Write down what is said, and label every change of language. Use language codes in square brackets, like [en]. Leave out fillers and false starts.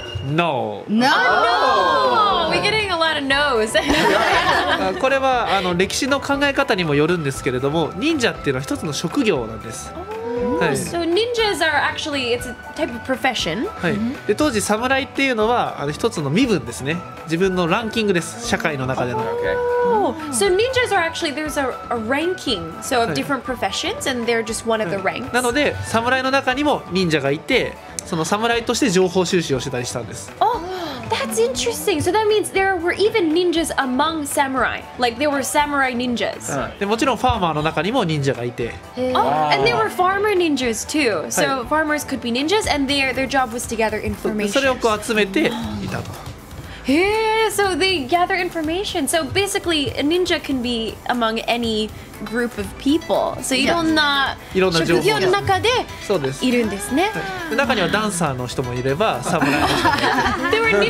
[en] No. No. We're getting a lot of no's. [ja] これはあの歴史の考え方にもよるんですけれども、忍者っていうのは一つの職業なんです。はい。 [en] So ninjas are actually it's a type of profession. [ja] はい。で当時侍っていうのはあの一つの身分ですね。自分のランキングです。社会の中での。 [en] So ninjas are actually there's a ranking so of different professions and they're just one of the ranks. [ja] なので侍の中にも忍者がいて。その侍として情報収集をしてたりしたんです。 [en] Oh, that's interesting. So that means there were even ninjas among samurai. Like there were samurai ninjas. [ja] で、もちろんファーマーの中にも忍者がいて。 [en] Oh, and there were farmer ninjas too. So farmers could be ninjas and their job was to gather information. [ja] それをこう集めていたと。 [en] So they gather information. So basically, a ninja can be among any group of people. [ja] So いろんな職業の中でいるんですね。そうです。い。中にはダンサーの人もいれば、侍の人もいる。